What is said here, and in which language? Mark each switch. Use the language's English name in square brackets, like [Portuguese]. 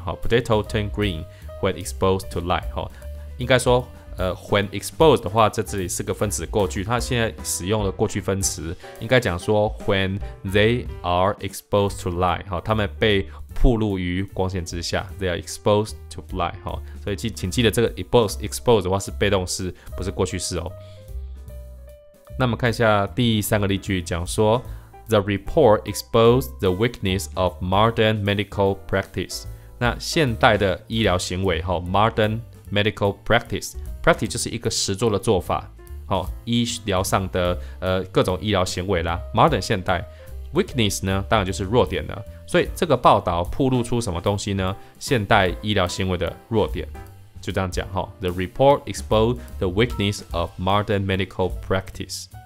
[Chinese] 哈 ， [English] potato turn green when exposed to light， [Chinese] 哈、哦，应该说，when exposed 的话，在这里是个分词过去，它现在使用了过去分词，应该讲说 [English] when they are exposed to light， [Chinese] 哈、哦，他们被暴露于光线之下 ， [English] they are exposed to light， [Chinese] 哈、哦，所以请记得这个 exposed 的话是被动式，不是过去式哦。那么看一下第三个例句，讲说。 [English] The report exposed the weakness of modern medical practice. [Chinese] 那现代的医疗行为 ， [English] modern medical practice. [Chinese] Practice 就是一个实作的做法，哦，医疗上的各种医疗行为啦。 Modern 现代 weakness 呢，当然就是弱点了。所以这个报道暴露出什么东西呢？现代医疗行为的弱点，就这样讲哈。 [English] The report exposed the weakness of modern medical practice.